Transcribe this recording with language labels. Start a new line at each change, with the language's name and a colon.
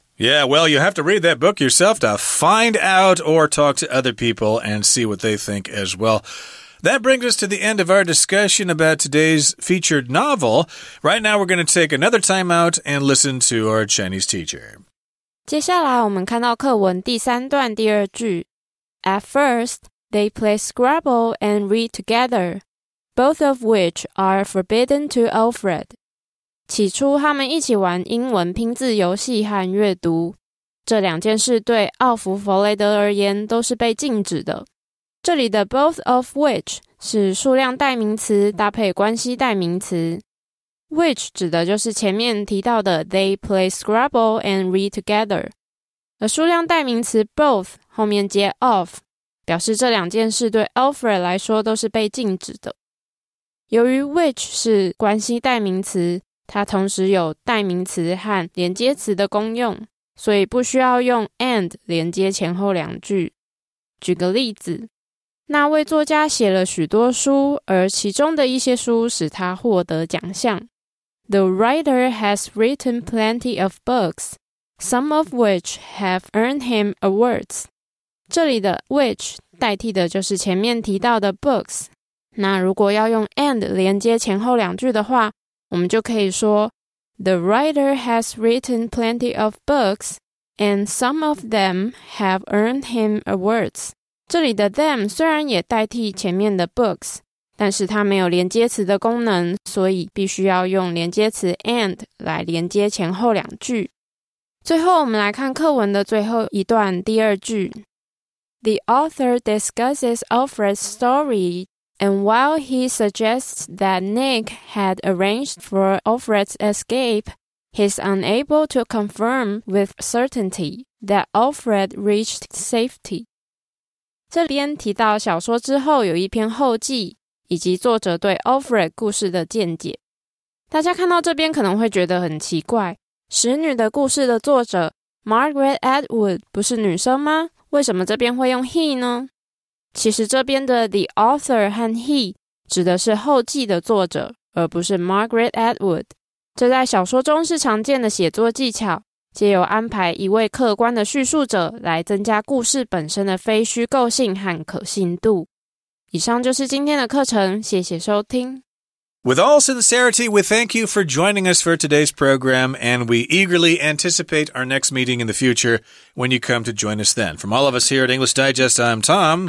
English: Yeah, well, you have to read that book yourself to find out or talk to other people and see what they think as well. That brings us to the end of our discussion about today's featured novel. Right now, we're going to take another time out and listen to our Chinese teacher.
Chinese: 接下来我们看到课文第三段第二句。
English: At first, they play Scrabble and read together, both of which are forbidden to Alfred.
Chinese: 起初他们一起玩英文拼字游戏和阅读。这两件事对奥弗·弗雷德而言都是被禁止的。这里的
English: both of which
Chinese: 是数量代名词搭配关系代名词。
English: Which
Chinese: 指的就是前面提到的
English: they play Scrabble and read together.
Chinese: 而数量代名词 both 后面接 of, 表示这两件事对 Alfred 来说都是被禁止的。由于 which 是关系代名词，它同时有代名词和连接词的功用，所以不需要用 and 连接前后两句。举个例子，那位作家写了许多书，而其中的一些书使他获得奖项。
English: The writer has written plenty of books, some of which have earned him awards.
Chinese: 这里的 which 代替的就是前面提到的 books。那如果要用 and 连接前后两句的话，我们就可以说
English: The writer has written plenty of books, and some of them have earned him awards.
Chinese: 这里的 them 虽然也代替前面的 books, 但是它没有连接词的功能，所以必须要用连接词 and 来连接前后两句。最后我们来看课文的最后一段第二句。
English: The author discusses Alfred's story, and while he suggests that Nick had arranged for Alfred's escape, he's unable to confirm with certainty that Alfred reached safety.
Chinese: 这边提到小说之后有一篇后记，以及作者对 Alfred 故事的见解。大家看到这边可能会觉得很奇怪，《使女的故事》的作者 Margaret Atwood 不是女生吗？为什么这边会用 he 呢？其实这边的 the author 和 he 指的是后记的作者，而不是 Margaret Atwood。这在小说中是常见的写作技巧。借由安排一位客观的叙述者来增加故事本身的非虚构性和可信度。以上就是今天的课程，谢谢收听。
English: With all sincerity, we thank you for joining us for today's program, and we eagerly anticipate our next meeting in the future when you come to join us then. From all of us here at English Digest, I'm Tom.